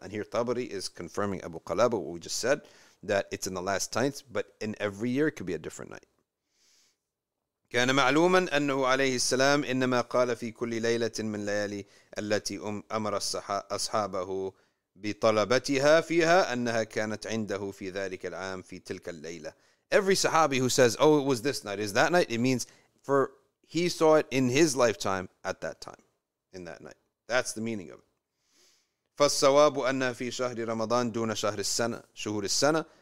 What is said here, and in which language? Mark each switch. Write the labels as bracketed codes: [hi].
[en] And here Tabari is confirming Abu Qalaba, what we just said, that it's in the last 10th, but in every year it could be a different night. [ar] كان معلوما أنه عليه السلام إنما قال في كل ليلة من ليالي التي أمر أصحابه بطلبتها فيها أنها كانت عنده في ذلك العام في تلك الليلة. [en] Every Sahabi who says, oh, it was this night, is that night, it means for he saw it in his lifetime at that time, in that night. That's the meaning of it. [ar] فالصواب أنها في شهر رمضان دون شهر السنة شهور السنة.